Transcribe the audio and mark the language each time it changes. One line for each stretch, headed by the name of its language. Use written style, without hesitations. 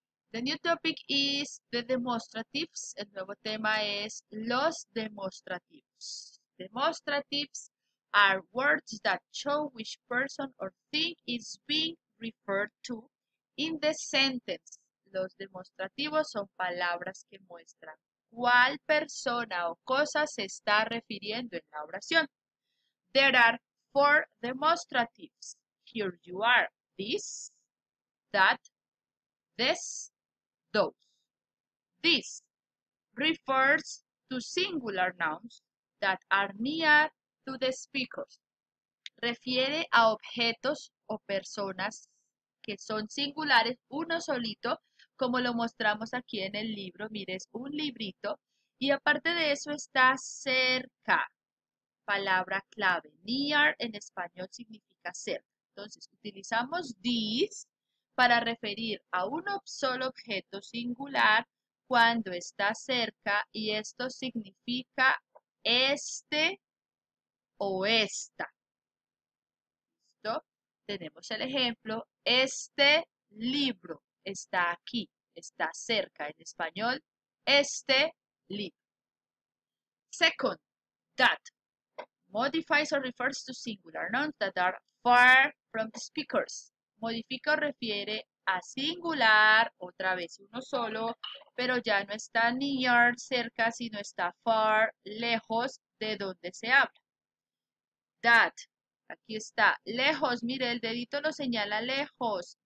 English: The new topic is the demostratives.
Spanish: El nuevo tema es los demostrativos.
English: Demostratives are words that show which person or thing is being referred to in the sentence.
Spanish: Los demostrativos son palabras que muestran ¿cuál persona o cosa se está refiriendo en la oración?
English: There are four demonstratives. Here you are. This, that, this, those. This refers to singular nouns that are near to the speakers.
Spanish: Refiere a objetos o personas que son singulares, uno solito, como lo mostramos aquí en el libro. Mire, es un librito. Y aparte de eso está cerca. Palabra clave. Near en español significa cerca. Entonces, utilizamos this para referir a un solo objeto singular cuando está cerca. Y esto significa este o esta. ¿Listo? Tenemos el ejemplo. Este libro está aquí. Está cerca en español, este libro.
English: Second, that modifies or refers to singular nouns that are far from the speakers.
Spanish: Modifica o refiere a singular, otra vez uno solo, pero ya no está near, cerca, sino está far, lejos de donde se habla. That, aquí está, lejos, mire, el dedito lo señala lejos.